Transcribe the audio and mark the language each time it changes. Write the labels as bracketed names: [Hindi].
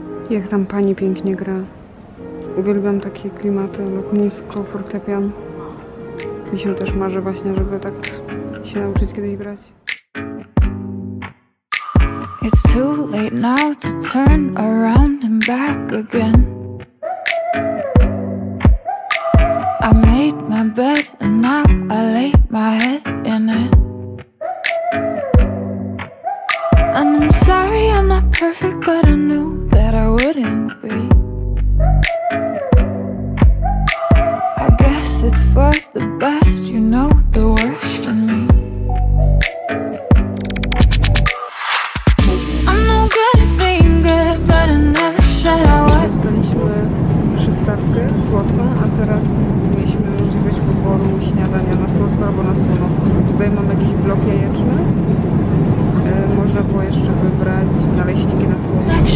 [Polish] Jak tam pani pięknie gra. Uwielbiam takie klimaty, lotnisko, fortepian. Mi się też marzy właśnie, żeby tak się nauczyć kiedyś grać. [English] It's too late now to turn around and back again. I made my bed and now I lay my head in it. And I'm sorry I'm not perfect but I knew. I wouldn't be. I guess it's for the best, you know the worst in me. I'm no good at being good, but I never said I would. [Polish] Dostaliśmy przystawkę słodką, a teraz mieliśmy możliwość wyboru śniadania na słodko albo na słono. Tutaj mamy jakiś blok jajeczny. Można było jeszcze wybrać naleśniki na słodko.